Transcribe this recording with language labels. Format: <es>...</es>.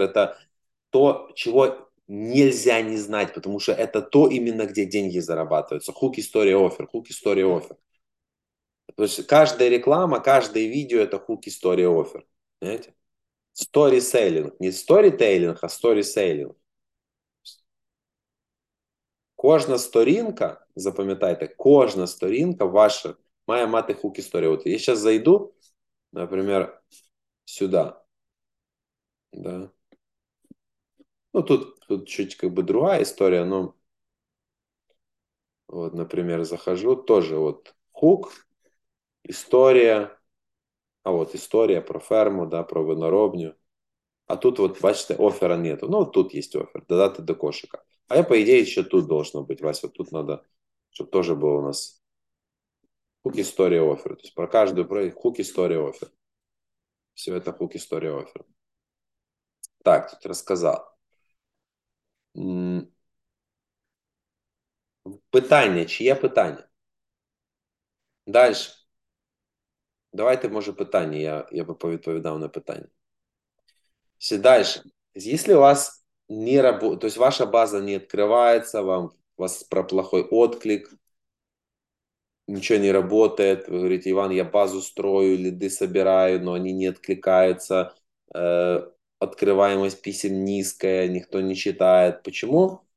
<ru>Это то, чего нельзя не знать, потому что это то именно, где деньги зарабатываются. Хук, история, офер, хук, история, офер. То есть каждая реклама, каждое видео это хук, история, офер. Понимаете? Стори-сейлинг. Не стори-тейлинг, а стори-сейлинг.</ru> <uk>Кожна сторінка, запам'ятайте, кожна сторінка ваша має мати хук історію. От я зараз зайду, наприклад, сюди. Да. Ну, тут чуть как бы друга історія, но вот, наприклад, захожу, теж от хук, історія.</uk> <ru>А вот история про ферму, да, про виноробню. А тут вот, бачите, оффера нету. Ну, вот тут есть оффер.</ru> <uk>Додати до кошика.</uk> <ru>А я, по идее, еще тут должно быть, Вася. Вот тут надо, чтобы тоже было у нас хук история оффер. То есть про каждую проект хук история оффер. Все это хук история оффер. Так, тут рассказал. Питание. Чье питание? Дальше.</ru> <uk>Давайте, може, питання, я би повідповідав на питання.</uk> <ru>Все дальше. Если у вас не работает, то есть ваша база не открывается, у вас про плохой отклик, ничего не работает, вы говорите, Иван, я базу строю, лиды собираю, но они не откликаются, открываемость писем низкая, никто не читает. Почему?</ru>